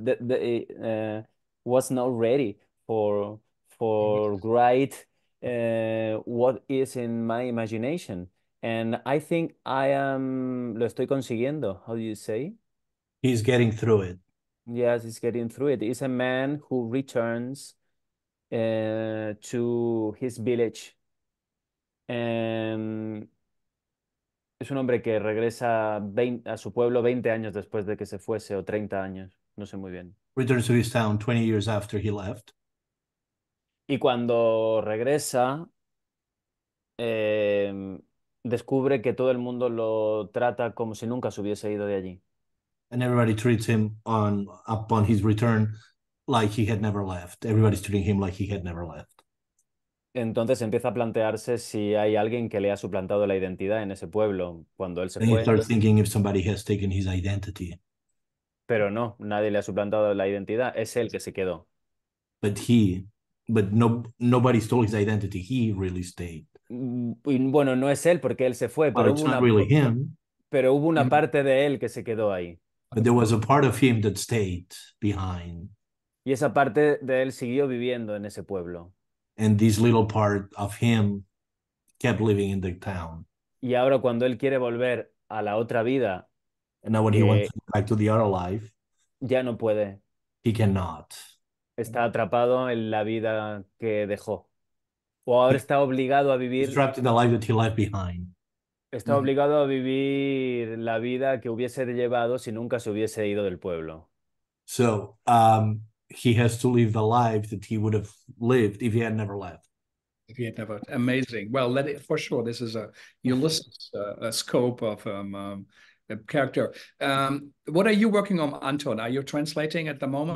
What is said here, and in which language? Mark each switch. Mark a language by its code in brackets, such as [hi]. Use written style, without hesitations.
[en] That was not ready for write what is in my imagination. And I think I am. [es] Lo estoy consiguiendo. [en] How do you say? He's getting through it. Yes, he's getting through it. It's a man who returns to his village. [es] Es un hombre que regresa 20, a su pueblo 20 años después de que se fuese, o 30 años, no sé muy bien. [en] Returns to his town 20 years after he left. [es] Y cuando regresa, descubre que todo el mundo lo trata como si nunca se hubiese ido de allí. [en] And everybody treats him upon his return like he had never left. Everybody's treating him like he had never left. [es] Entonces empieza a plantearse si hay alguien que le ha suplantado la identidad en ese pueblo cuando él se [en] and [es] fue. [en] He starts thinking if somebody has taken his identity. [es] Pero no, nadie le ha suplantado la identidad, es él que se quedó. [en] But nobody stole his identity, he really stayed. [es] Bueno, no es él porque él se fue, [en] but [es] pero [en] it's [es] hubo [en] not really him. [es] Pero hubo una parte de él que se quedó ahí. [en] But there was a part of him that stayed behind. [es] Y esa parte de él siguió viviendo en ese pueblo. [en] And this little part of him kept living in the town. [es] Y ahora cuando él quiere volver a la otra vida, [en] and now when he wants to go back to the other life, [es] ya no puede. [en] He cannot. [es] Está atrapado en la vida que dejó. O ahora está obligado a vivir... [en] He's trapped in the life that he left behind. [es] Está obligado a vivir la vida que hubiese llevado si nunca se hubiese ido del pueblo. [en] So, he has to live the life that he would have lived if he had never left. If he had never... Amazing. Well, let it, for sure, this is a Ulysses a scope of a character. What are you working on, Anton? Are you translating at the moment?